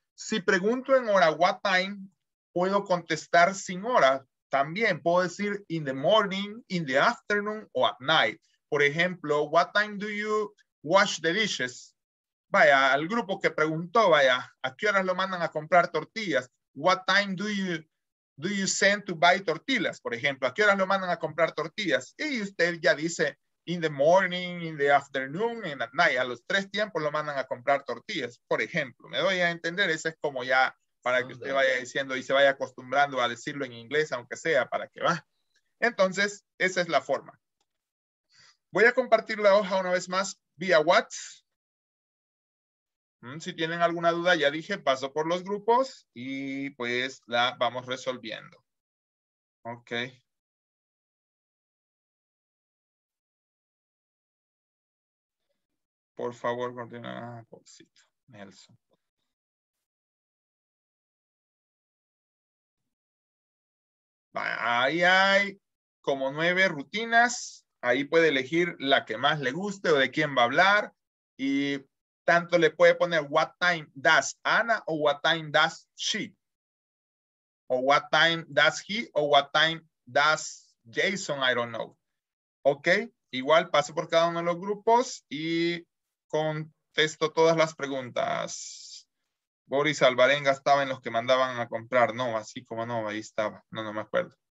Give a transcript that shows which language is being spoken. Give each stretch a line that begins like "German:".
Spanish: Si pregunto en hora,
English: what time,
Spanish: puedo contestar sin hora. También puedo decir
English: in the morning, in the afternoon
Spanish: o
English: at night.
Spanish: Por ejemplo,
English: what time do you wash the dishes?
Spanish: Vaya, al grupo que preguntó, vaya, ¿a qué horas lo mandan a comprar tortillas?
English: What time do you send to buy tortillas?
Spanish: Por ejemplo, ¿a qué horas lo mandan a comprar tortillas? Y usted ya dice,
English: in the morning, in the afternoon, in the night.
Spanish: A los 3 tiempos lo mandan a comprar tortillas, por ejemplo. ¿Me doy a entender? Ese es como ya para que usted vaya diciendo y se vaya acostumbrando a decirlo en inglés, aunque sea, para que va. Entonces, esa es la forma. Voy a compartir la hoja una vez más vía WhatsApp. Si tienen alguna duda, ya dije, paso por los grupos y pues la vamos resolviendo. Ok. Por favor, coordina. Ah, pobrecito, Nelson. Ahí hay como 9 rutinas. Ahí puede elegir la que más le guste o de quién va a hablar. Y tanto le puede poner
English: what time does Anna o what time does she o what time does he o what time does Jason, I don't know.
Spanish: Ok, igual paso por cada uno de los grupos y contesto todas las preguntas. Boris Alvarenga estaba en los que mandaban a comprar, no, así como no, ahí estaba, no, no me acuerdo.